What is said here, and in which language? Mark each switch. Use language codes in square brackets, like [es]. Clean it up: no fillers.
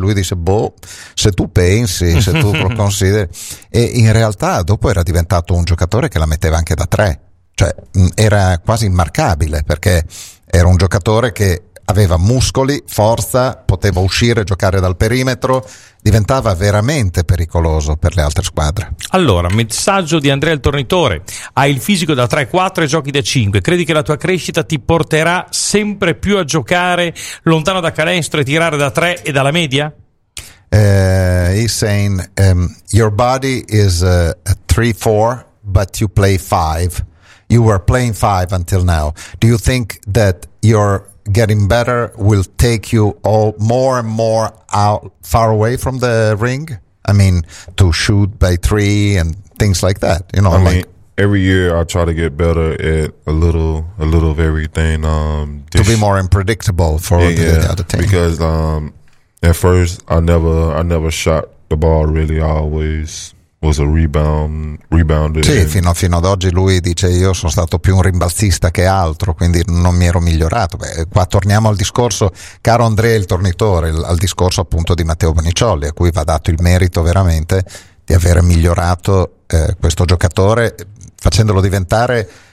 [it] Lui disse boh, se tu pensi, se tu lo consideri, e in realtà dopo era diventato un giocatore che la metteva anche da tre, cioè era quasi immarcabile, perché era un giocatore che aveva muscoli, forza, poteva uscire, giocare dal perimetro, diventava veramente pericoloso per le altre squadre. Allora, messaggio di Andrea il Tornitore: hai il fisico da 3-4 e giochi da 5, credi che la tua crescita ti porterà sempre più a giocare lontano da canestro e tirare da 3 e dalla media? [en] He's saying your body is a 3-4 but you play 5, you were playing 5 until now, do you think that your getting better will take you all more and more out, far away from the ring? I mean, to shoot by three and things like that, you know. I like mean, every year I try to get better at a little of everything. To be more unpredictable for the other team. Because at first I never shot the ball really. I always was a rebounder. [it] Sì, fino ad oggi lui dice io sono stato più un rimbalzista che altro, quindi non mi ero migliorato. Beh, qua torniamo al discorso, caro Andrea il Tornitore, al discorso appunto di Matteo Boniciolli, a cui va dato il merito veramente di aver migliorato questo giocatore, facendolo diventare